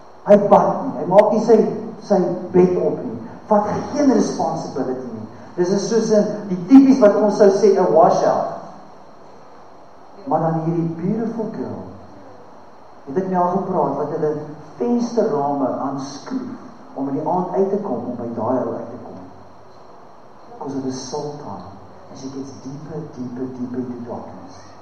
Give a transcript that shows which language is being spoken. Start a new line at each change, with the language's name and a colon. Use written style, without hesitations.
Afrikaans: Hy bad nie, hy maak nie sy bed op nie, wat geen responsibility nie. Dis is soos in die typies wat ons sou sê,
English: a washout.
Afrikaans: Maar dan hierdie beautiful girl, het ek nou al gepraat, wat hulle vensterrame aanskroef, om in die aand uit te kom, om by daar uit te kom.
English: Because of the sultan, as it gets deeper, deeper, deeper into darkness.